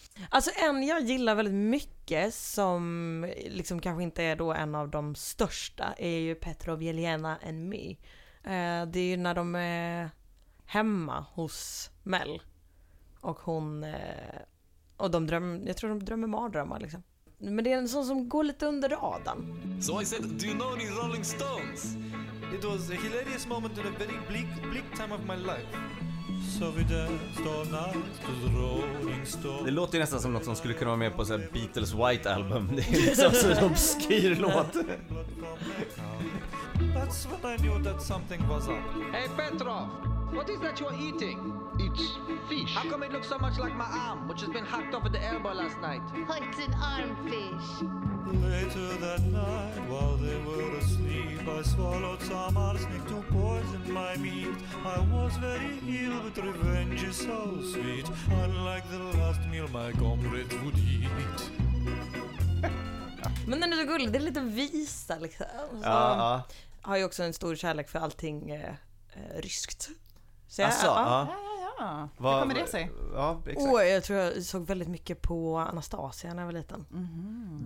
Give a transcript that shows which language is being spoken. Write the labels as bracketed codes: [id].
[sv] Alltså en jag gillar väldigt mycket som liksom kanske inte är då en av de största är ju Petrov, Jelena and Me. Det är ju när de är hemma hos Mel och hon och de drömmer, jag tror de drömmer mardrömmar liksom. Men det är en sån som går lite under radarn. [en] So I said, do you know any Rolling Stones? It was a hilarious moment in a very bleak time of my life. So we danced all night with Rolling Stones. [sv] Det låter ju nästan som något som skulle kunna vara med på så här Beatles White Album. Det är liksom så en obskyr låt. [en] That's when I knew that something was up. Hey Petrov, what is that you're eating? It's fish. How come it looks so much like my arm, which has been hacked off at the elbow last night? Oh, it's an arm fish. Later that night, while they were asleep, I swallowed some arsenic to poison my meat. I was very ill, but revenge is so sweet. Unlike the last meal my comrade would eat. [sv] Men den är så gullig, det är lite visa liksom. Ja, ja. Har ju också en stor kärlek för allting ryskt. Så jag, asså, ja. Hur kommer det sig? Jag tror jag såg väldigt mycket på Anastasia när jag var liten. Mm-hmm.